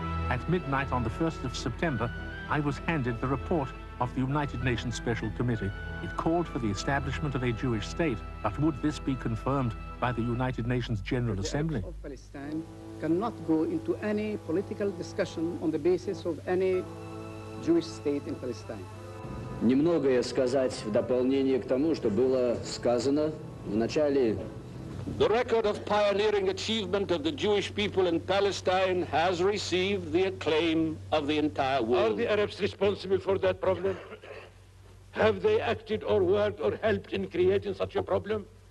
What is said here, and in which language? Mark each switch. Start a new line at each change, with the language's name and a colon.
English: At midnight on the 1st of September, I was handed the report of the United Nations Special Committee. It called for the establishment of a Jewish state, but would this be confirmed by the United Nations General Assembly? The Arabs of Palestine cannot go into any political discussion on the basis of any Jewish state in Palestine.
Russian: Немного я сказать в дополнение к тому, что было сказано в начале.
English: The record of pioneering achievement of the Jewish people in Palestine has received the acclaim of the entire world. Are the Arabs responsible for that problem? Have they acted or worked or helped in creating such a problem?